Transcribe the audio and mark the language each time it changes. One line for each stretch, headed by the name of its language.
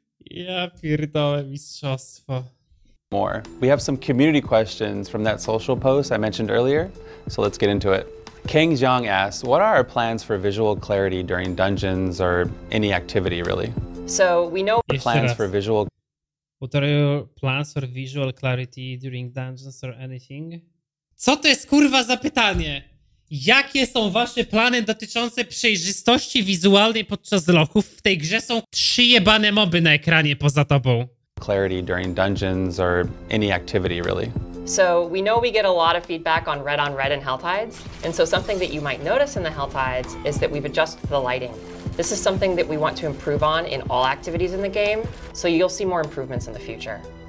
Polish: Ja pierdolę, mistrzostwo.
English: More. We have some community questions from that social post I mentioned earlier, so let's get into it. Kang Zhang asks, what are our plans for visual clarity during dungeons or any activity really? So we know the plans for visual. What are your plans for visual clarity during dungeons or anything?
Polish: Co to jest kurwa za pytanie? Jakie są wasze plany dotyczące przejrzystości wizualnej podczas lochów? W tej grze są 3 jebane moby na ekranie poza tobą.
English: Clarity during dungeons or any activity really. So we know we get a lot of feedback on red on red in Helltides. And so something that you might notice in the Helltides is that we've adjusted the lighting. This is something that we want to improve on in all activities in the game, so you'll see more improvements in the future.